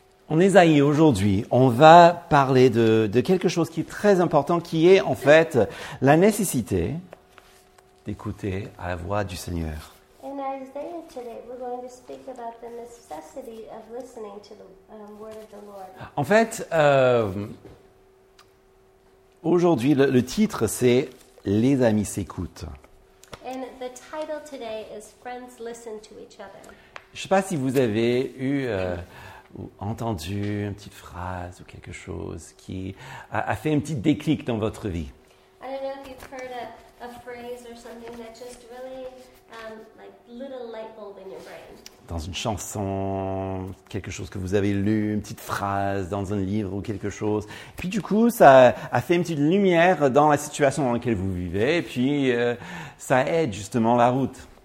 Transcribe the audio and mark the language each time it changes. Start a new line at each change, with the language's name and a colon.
French: En Ésaïe, aujourd'hui, on va parler de quelque chose qui est très important, qui est en fait la nécessité d'écouter à la voix du Seigneur.
English: In Isaiah today, we're going to speak about the necessity of listening to the word of the Lord.
French: En fait, aujourd'hui, le titre, c'est « Les amis s'écoutent ».
English: And the title today is « Friends listen to each other ».
French: Je ne sais pas si vous avez eu... ou entendu une petite phrase ou quelque chose qui a fait un petit déclic dans votre vie.
English: I don't know if you've heard a phrase or something that just really like lit a light bulb in your brain.
French: Dans une chanson, quelque chose que vous avez lu, une petite phrase dans un livre ou quelque chose. Puis du coup, ça a fait une petite lumière dans la situation dans laquelle vous vivez, et puis ça aide justement la route.